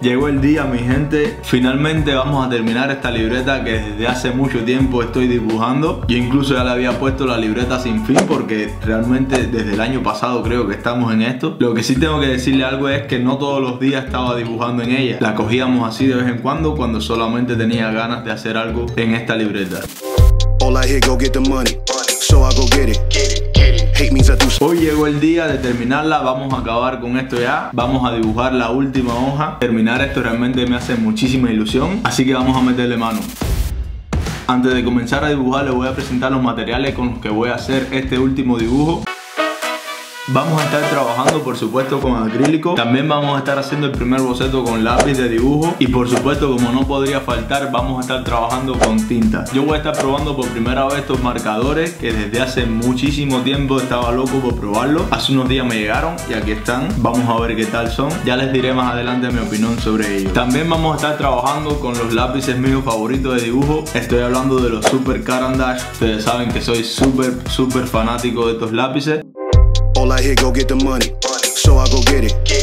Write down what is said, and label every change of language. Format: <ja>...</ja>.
<es>Llegó el día, mi gente, finalmente vamos a terminar esta libreta que desde hace mucho tiempo estoy dibujando. Yo incluso ya le había puesto la libreta sin fin porque realmente desde el año pasado creo que estamos en esto. Lo que sí tengo que decirle algo es que no todos los días estaba dibujando en ella. La cogíamos así de vez en cuando, cuando solamente tenía ganas de hacer algo en esta libreta.</es> <en>All I hear, go get the money, so I go get it.</en> <es>Hoy llegó el día de terminarla, vamos a acabar con esto ya. Vamos a dibujar la última hoja. Terminar esto realmente me hace muchísima ilusión, así que vamos a meterle mano. Antes de comenzar a dibujar, les voy a presentar los materiales con los que voy a hacer este último dibujo. Vamos a estar trabajando, por supuesto, con acrílico. También vamos a estar haciendo el primer boceto con lápiz de dibujo. Y por supuesto, como no podría faltar, vamos a estar trabajando con tinta. Yo voy a estar probando por primera vez estos marcadores, que desde hace muchísimo tiempo estaba loco por probarlos. Hace unos días me llegaron y aquí están. Vamos a ver qué tal son. Ya les diré más adelante mi opinión sobre ellos. También vamos a estar trabajando con los lápices míos favoritos de dibujo. Estoy hablando de los Super Carandash. Ustedes saben que soy súper, súper fanático de estos lápices.</es> <en>All I hear, go get the money, so I go get it.</en>